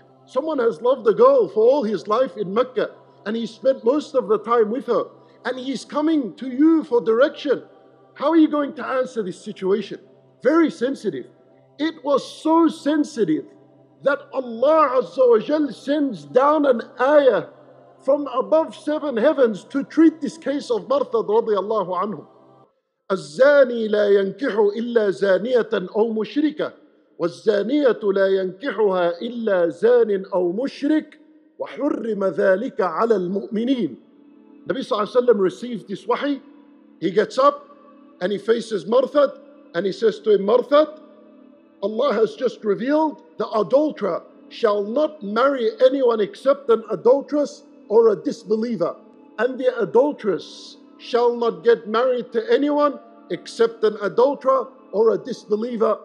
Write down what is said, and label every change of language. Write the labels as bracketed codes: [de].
[en] Someone has loved a girl for all his life in Mecca, and he spent most of the time with her, and he's coming to you for direction. How are you going to answer this situation? Very sensitive. It was so sensitive that Allah Azza wa Jal sends down an ayah from above seven heavens to treat this case of Marthad radiallahu anhu. [ar] الزاني لا ينكح إلا زانية أو مشركة والزانية لا ينكحها إلا زان أو مشرك وحرم ذلك على المؤمنين. [en] Nabi [ar] صلى الله عليه وسلم [en] received this wahi. He gets up and he faces Marthad and he says to him, Marthad, Allah has just revealed the adulterer shall not marry anyone except an adulteress or a disbeliever, and the adulteress shall not get married to anyone except an adulterer or a disbeliever.